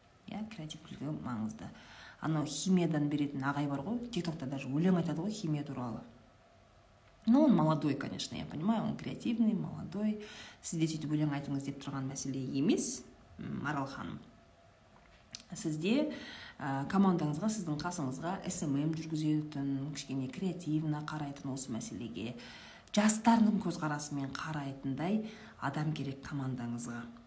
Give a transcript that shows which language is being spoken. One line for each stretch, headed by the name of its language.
Kazakh: Я креативтілігі маңызды. Анау химиядан беретін ағай бар ғой, тиктокта даже өлең айтады ғой химия туралы.
Russian: Ну, он молодой, конечно, я понимаю, он креативный, молодой.
Kazakh: Сізде сөйтіп өлең айтыңыз деп тұрған мәселе емес, Марал ханым. Сізде командаңызға, сіздің қасыңызға SMM жүргізетін, кішкене креативна қарайтын осы мәселеге, жастардың көзқарасымен қарайтындай адам керек командаңызға.